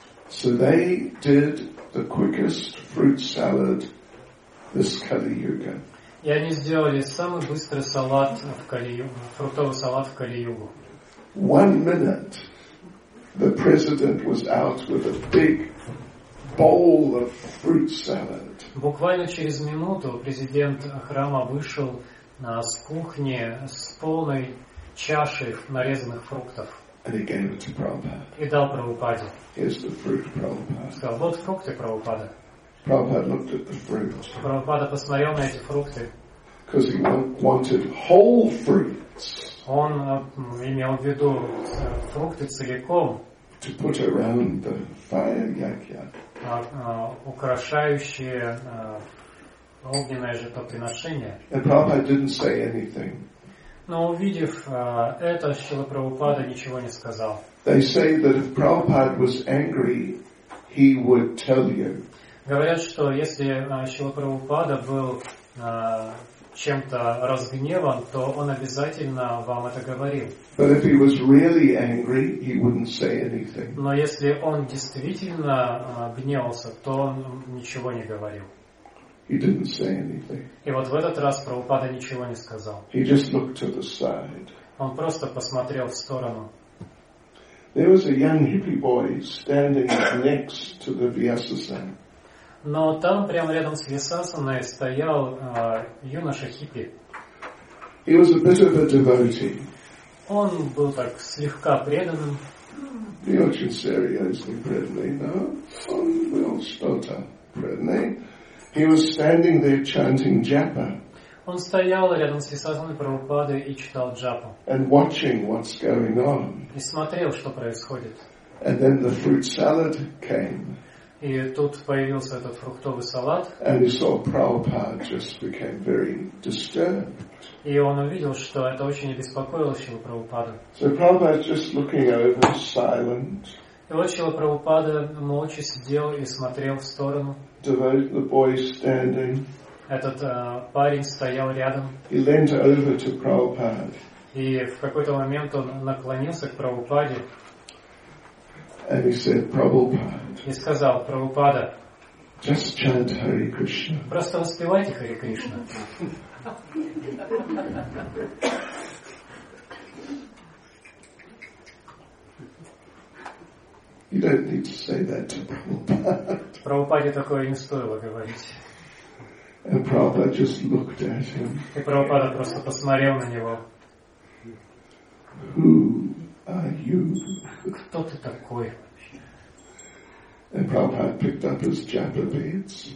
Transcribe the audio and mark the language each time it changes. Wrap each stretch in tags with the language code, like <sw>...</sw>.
<en>So they did the quickest fruit salad this Kali Yuga.</en> <ru>И они сделали самый быстрый салат в Кали Югу, фруктовый салат в Кали Югу.</ru> <en>1 minute, the president was out with a big bowl of fruit salad.</en> <ru>Буквально через минуту президент храма вышел с кухни с полной чашей нарезанных фруктов.</ru> <en>And he gave it to Prabhupada.</en> <ru>И дал Прабхупаде.</ru> <en>Here's the fruit, Prabhupada.</en> <ru>Сказал, вот фрукты, Прабхупада.</ru> <en>Prabhupada looked at the fruit.</en> <ru>Прабхупада посмотрел на эти фрукты.</ru> <en>Because he wanted whole fruits.</en> <ru>Он имел в виду фрукты целиком.</ru> <en>To put around the fire yakya.</en> <ru>Украшающие огненное жертвоприношение.</ru> <en>And Prabhupada didn't say anything.</en> <ru>Но увидев это, Шрила Прабхупада ничего не сказал.</ru> <en>They say that if Prabhupada was angry, he would tell you.</en> <ru>Говорят, что если Шрила Прабхупада был чем-то разгневан, то он обязательно вам это говорил.</ru> <en>But if he was really angry, he wouldn't say anything.</en> <ru>Но если он действительно гневался, то он ничего не говорил.</ru> <en>He didn't say anything.</en> <ru>И вот в этот раз Прабхупада ничего не сказал.</ru> <en>He just looked to the side.</en> <ru>Он просто посмотрел в сторону.</ru> <en>There was a young hippie boy standing next to the Vyasasana.</en> <ru>Но там, прямо рядом с Висасаной, стоял юноша-хиппи.</ru> <en>He was a bit of a devotee.</en> <ru>Он был так слегка преданным. Не очень серьезный преданный, но он был что-то преданный.</ru> <en>He was standing there chanting japa.</en> <ru>Он стоял рядом с Висасаной Прабхупадой и читал джапу.</ru> <en>And watching what's going on.</en> <ru>И смотрел, что происходит.</ru> <en>And then the fruit salad came.</en> <ru>И тут появился этот фруктовый салат.</ru> <en>And he saw Prabhupada just became very disturbed.</en> <ru>И он увидел, что это очень обеспокоило Шрилу Прабхупаду.</ru> <en>So Prabhupada just looking over, silent.</en> <ru>И вот Шрила Прабхупада молча сидел и смотрел в сторону.</ru> <en>Devote, the boy standing.</en> <ru>Этот парень стоял рядом.</ru> <en>He leant over to Prabhupada.</en> <ru>И в какой-то момент он наклонился к Прабхупаде.</ru> <en>And he said, Prabhupada.</en> <ru>И сказал: Прабхупада.</ru> <en>Just chant Hare Krishna.</en> <ru>Просто воспевайте Хари Кришна.</ru> <en>You don't need to say that to Prabhupada.</en> <ru>Прабхупаде такое не стоило говорить.</ru> <en>And Prabhupada just looked at him.</en> <ru>И Прабхупада просто посмотрел на него.</ru> <en>Who are you?</en> <ru>Кто ты такой?</ru> <en>And Prabhupada picked up his japa beads.</en>